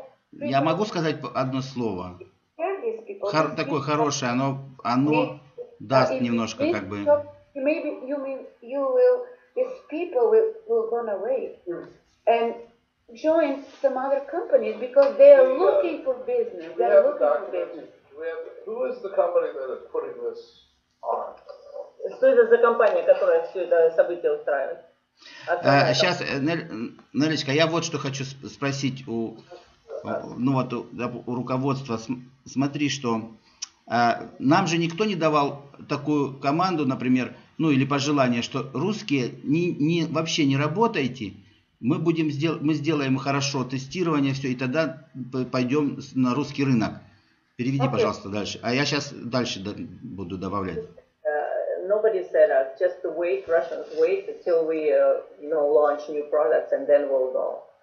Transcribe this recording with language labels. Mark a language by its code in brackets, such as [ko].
[ru] Я могу сказать одно слово. Такое хорошее, оно даст немножко как бы. [en] Maybe you will. These people will run away and join some other companies because they are looking for business. They are looking for business. Who is the company that is putting this on? [ru] Что это за компания, которая все это событие устраивает? Сейчас, Нелечка, я вот что хочу спросить у, ну вот у руководства. Смотри, что нам же никто не давал такую команду, например, ну или пожелание, что русские не вообще не работайте. Мы сделаем хорошо тестирование, все, и тогда пойдем на русский рынок. Переведи, [en] okay. [ru] Пожалуйста, дальше. А я сейчас дальше буду добавлять. [en] Nobody said us, just to wait, Russians wait until we launch new products and then we'll go.